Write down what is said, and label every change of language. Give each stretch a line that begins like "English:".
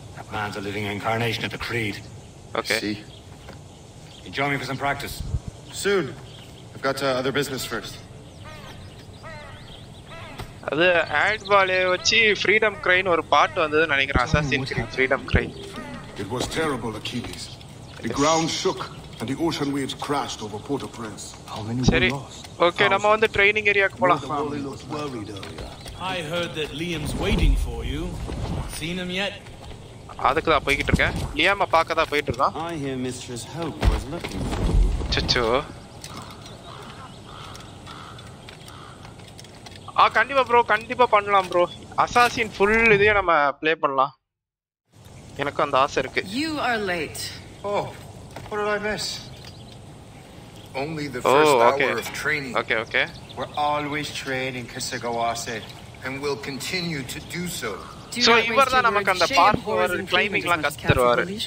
English: man's a living incarnation of the Creed. Okay. See. You join me for some practice? Soon. I've got other business first.
Tamil: அது add பாலே வச்சு freedom grain ஒரு பாட்டு வந்தது நினைக்கிறேன் assassin greet freedom grain.
English: It was terrible, Achilles. The ground shook and the ocean waves crashed over Port-au-Prince. How many were lost?
Tamil: Okay, நம்ம வந்து training ஏரியாக்கு போலாம்.
English: I heard that Liam's waiting for you. Seen him yet?
Tamil: அதுக்கு தான் போயிட்டு இருக்கேன். லியாம பார்க்க தான் போயிட்டு இருக்கான்.
English: I hear Mistress Hope was looking for
Tamil: you. சச்சோ. கண்டிப்பா ப்ரோ, கண்டிப்பா பண்ணலாம் ப்ரோ. அசாசின் ஃபுல் இதையே நம்ம ப்ளே பண்ணலாம். எனக்கு அந்த ஆசை இருக்கு.
English: You are late. Oh, what did I miss? Only the first hour of training. Okay, okay. We're always training, Kasagawase, and we'll continue to do so.
Tamil: So, இவர்தான் நமக்கு அந்த பார்க்கோர் க்ளைம்பிங்லாம் கத்து தருவாரு.